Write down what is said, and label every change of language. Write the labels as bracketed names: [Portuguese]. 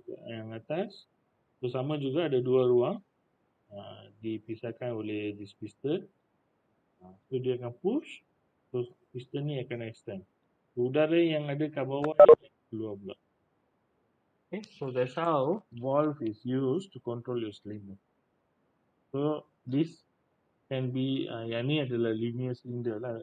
[Malay] Yang atas. So sama juga ada dua ruang. Dipisahkan oleh this piston. So dia akan push. So piston ni akan extend. Udara yang ada kat bawah ni keluar pula. [English] Okay, so that's how valve is used to control your cylinder. [Malay] So this can be, yang ni adalah linear cylinder lah.